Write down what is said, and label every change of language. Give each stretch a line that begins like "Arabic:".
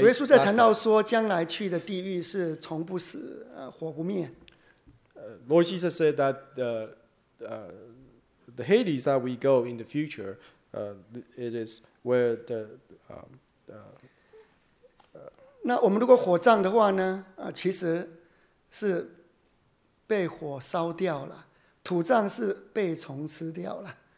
Chinese: 主耶稣在谈到说，将来去的地狱是从不死，火不灭。
English: Lord Jesus said that the Hades that we go in the future, it is where the.
Chinese: 那我们如果火葬的话呢？其实是被火烧掉了，土葬是被虫吃掉了。